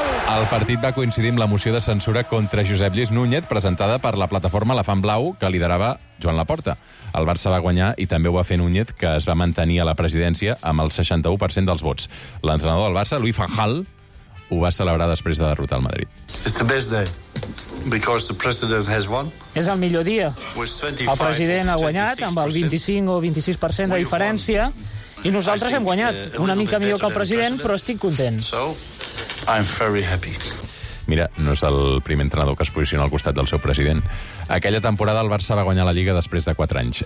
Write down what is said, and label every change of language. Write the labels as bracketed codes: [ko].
[ca] El partit va coincidir amb la moció de censura contra Josep Lluís Núñez presentada per la plataforma La Fan Blau, que liderava Joan Laporta. El Barça va guanyar i també ho va fer Núñez, que es va mantenir a la presidència amb el 61% dels vots. L'entrenador del Barça, Luis Fanjal, ho va celebrar després de derrotar el Madrid. [en] It's the best day because the president has won. [ca] És el millor dia. El president ha guanyat amb el 25 o 26% de diferència i nosaltres hem guanyat una mica millor que el president, però estic content. [en] I'm very happy. [ca] Mira, no és el primer entrenador que es posiciona al costat del seu president. Aquella temporada el Barça va guanyar la Lliga després de 4 anys.